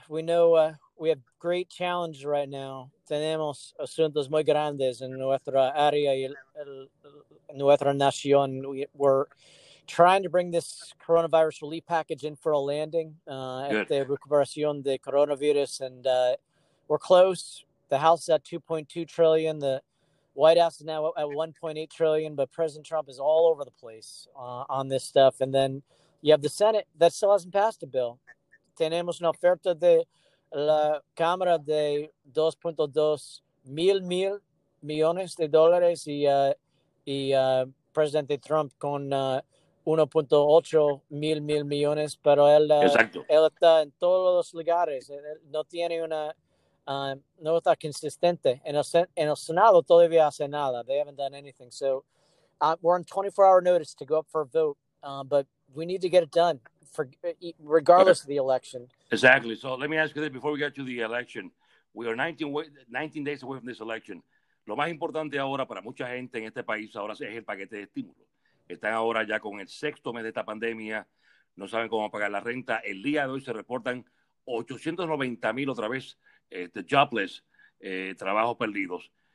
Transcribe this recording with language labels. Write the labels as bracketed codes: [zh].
[en] We know we have great challenges right now. [es] Tenemos asuntos muy grandes en nuestra área y nuestra nación. [en] We're trying to bring this coronavirus relief package in for a landing at the [es] recuperación de coronavirus, [en] and we're close. The House is at $2.2 trillion. The White House is now at $1.8 trillion, but President Trump is all over the place on this stuff. And then you have the Senate that still hasn't passed a bill. [es] Tenemos una oferta de la Cámara de 2.2 mil mil millones de dólares y Presidente Trump con 1.8 mil mil millones, pero él está en todos los lugares. Él no tiene una, no está consistente. En el Senado todavía hace nada. [en] They haven't done anything. So we're on 24-hour notice to go up for a vote, but we need to get it done. Regardless of the election. Exactly. So let me ask you this before we get to the election. We are 19 days away from this election. [es] Lo más importante ahora para mucha gente en este país ahora es el paquete de estímulo. Están ahora ya con el sexto mes de esta pandemia. No saben cómo pagar la renta. El día de hoy se reportan 890 mil otra vez jobless, trabajos perdidos.